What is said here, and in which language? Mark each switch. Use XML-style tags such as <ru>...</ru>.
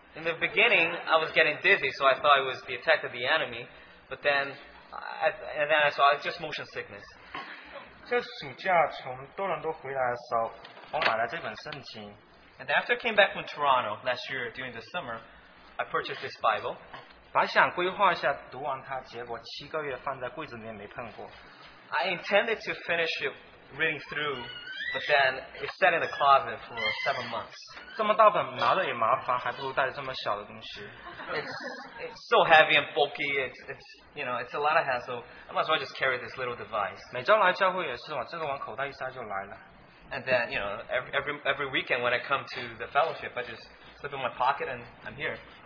<en>In the beginning, I was getting dizzy, so I thought it was the attack of the enemy. But then, I saw it's just motion sickness.</en> <zh>这暑假从多伦多回来的时候，我买了这本圣经。</zh> <en>And after I came back from Toronto last year during the summer, I purchased this Bible.</en> <zh>本想规划一下读完它，结果7个月放在柜子里面没碰过。</zh> <en>I intended to finish it reading through, but then it sat in the closet for 7 months.</en> <zh>这么大本拿着也麻烦，还不如带着这么小的东西。</zh> <en>It's so heavy and bulky. It's a lot of hassle. I might as well just carry this little device.</en> <zh>每周来教会也是嘛，这个往口袋一塞就来了。</zh> <en>And then, you know, every weekend when I come to the fellowship, I just slip in my pocket and I'm here.</en>